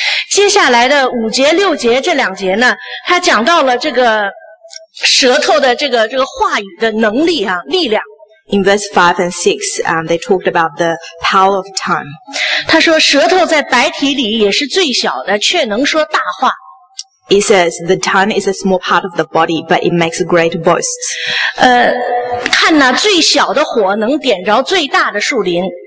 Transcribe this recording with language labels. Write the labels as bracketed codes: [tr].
[zh] 接下来的五节六节这两节呢，它讲到了这个舌头的这个话语的能力啊，力量。 [en] In verse 5 and 6, they talked about the power of tongue. [zh] 他说舌头在白体里也是最小的，却能说大话。 [en] It says the tongue is a small part of the body, but it makes great boasts. [zh] 看哪，最小的火能点着最大的树林。